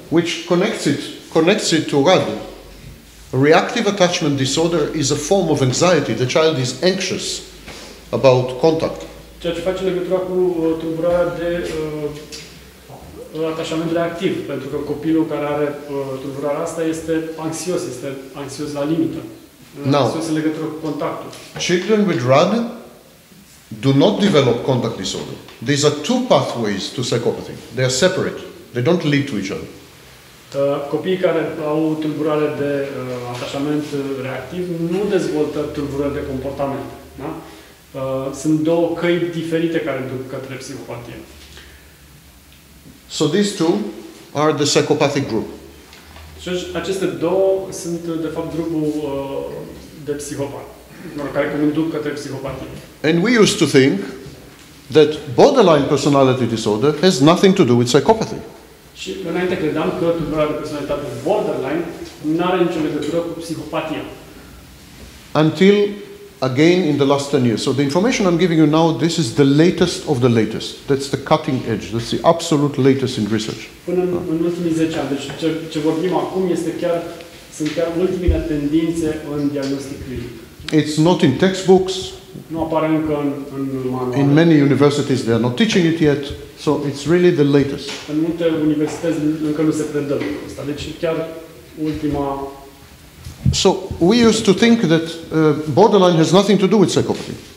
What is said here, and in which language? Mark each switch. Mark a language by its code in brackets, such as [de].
[en] Which connects it to what? Reactive attachment disorder is a form of anxiety. The child is anxious about contact. [ro] Ceea ce face legătura cu tulburarea de atașament reactiv, pentru că copilul care are tulburarea asta este anxios la limită. [en] Now, [ro] anxios în legătură cu contactul. [en] Children with RUD do not develop conduct disorder. These are two pathways to psychopathy. They are separate. They don't lead to each other. [ro] Copiii care au tulburare de atașament reactiv nu dezvoltă tulburări de comportament. Da? Sunt două căi diferite care duc către psihopatie. [en] So these two are the psychopathic group. [ro] Deci, aceste două sunt de fapt grupul de psihopat, care conduc către psihopatie. [en] And we used to think that borderline personality disorder has nothing to do with psychopathy. [ro] Și înainte credeam că tulburarea de personalitate borderline nu are nicio legătură cu psihopatia. [en] Until again in the last 10 years. So the information I'm giving you now, this is the latest of the latest. That's the cutting edge. That's the absolute latest in research. [ro] Până în ultimii 10 ani. Deci ce vorbim acum este chiar, sunt chiar ultimile tendințe în diagnostic clinic. [en] It's not in textbooks. [ro] Nu apare încă în manual. [en] In many universities they are not teaching it yet. So it's really the latest. [ro] În multe universități încă nu se predă asta. Deci chiar ultima. [en] So we used to think that borderline has nothing to do with psychopathy.